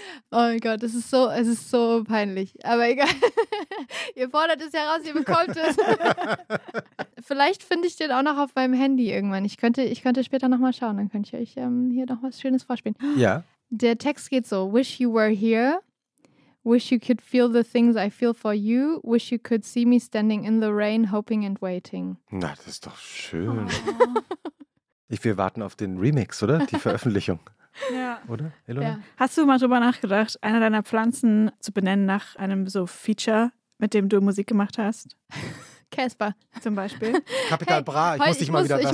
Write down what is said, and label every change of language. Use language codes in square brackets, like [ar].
[de] Oh mein Gott, es ist so peinlich. Aber egal. Ihr fordert es heraus, ihr bekommt es. Vielleicht finde ich den auch noch auf meinem Handy irgendwann. Ich könnte später nochmal schauen, dann könnte ich euch hier noch was Schönes vorspielen. Ja. Der Text geht so. [en] Wish you were here. Wish you could feel the things I feel for you. Wish you could see me standing in the rain, hoping and waiting. [de] Na, das ist doch schön. Wir warten auf den Remix, oder? Die Veröffentlichung. Ja. Oder, Elona? Ja. Hast du mal drüber nachgedacht, eine deiner Pflanzen zu benennen nach einem so Feature, mit dem du Musik gemacht hast? Casper. Zum Beispiel. Capital, hey, Bra, ich muss dich mal wieder bessern.